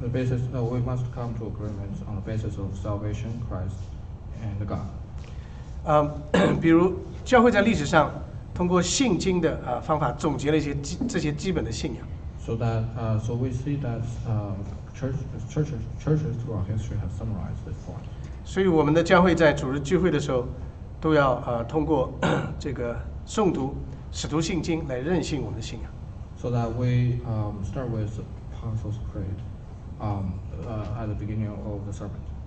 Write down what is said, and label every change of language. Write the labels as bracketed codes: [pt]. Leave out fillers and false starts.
[en] The basis, we must come to agreement on the basis of salvation, Christ, and God. [zh] 比如教会在历史上通过信经的方法总结了一些这些基本的信仰。 [en] So that, so we see that churches throughout history have summarized this point. [zh] 所以我们的教会在主日聚会的时候。都要通过这个诵读使徒信经来认信我们的信仰。 [en] So that we start with the Apostles' Creed at the beginning of the sermon.